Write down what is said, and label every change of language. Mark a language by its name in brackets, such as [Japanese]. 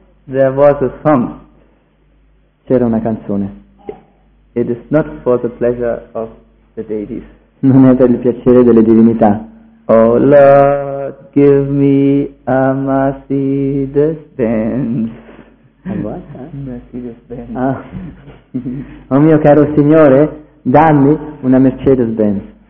[English] There was a song. [Italian] C'era una canzone. [English] It is not for the pleasure of the deities. [Italian] Non è per il piacere delle divinità. [English] Oh Lord, give me a Mercedes-Benz. Mercedes-Benz. [Italian] Ah. Oh mio caro Signore, dammi una Mercedes-Benz.